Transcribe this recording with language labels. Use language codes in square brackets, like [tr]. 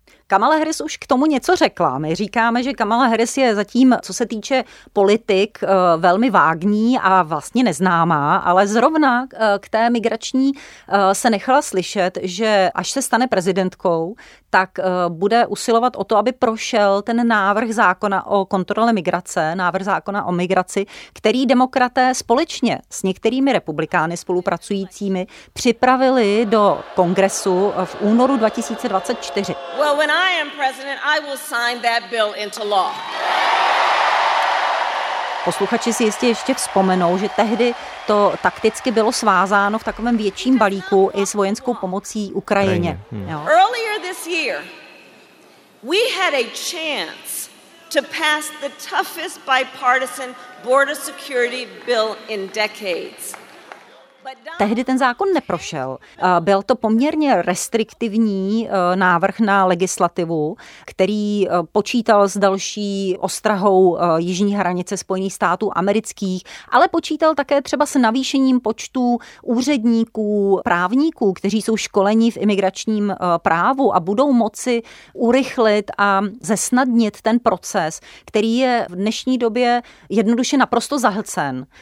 [cs] Kamala Harris už k tomu něco řekla. My říkáme, že Kamala Harris je zatím, co se týče politik, velmi vágní a vlastně neznámá, ale zrovna k té migrační se nechala slyšet, že až se stane prezidentkou, tak bude usilovat o to, aby prošel ten návrh zákona o kontrole migrace, návrh zákona o migraci, který demokraté společně s některými republikány spolupracujícími připravili do kongresu v únoru 2024. [en] When I am president, I will sign that bill into law. [cs] Posluchači si jistě ještě vzpomenou, že tehdy to takticky bylo svázáno v takovém větším balíku i s vojenskou pomocí Ukrajině. [en] Earlier this year, we had a chance to pass the toughest bipartisan border security bill in decades. [cs] Tehdy ten zákon neprošel. Byl to poměrně restriktivní návrh na legislativu, který počítal s další ostrahou jižní hranice Spojených států amerických, ale počítal také třeba s navýšením počtu úředníků, právníků, kteří jsou školeni v imigračním právu a budou moci urychlit a zesnadnit ten proces, který je v dnešní době jednoduše naprosto zahlcen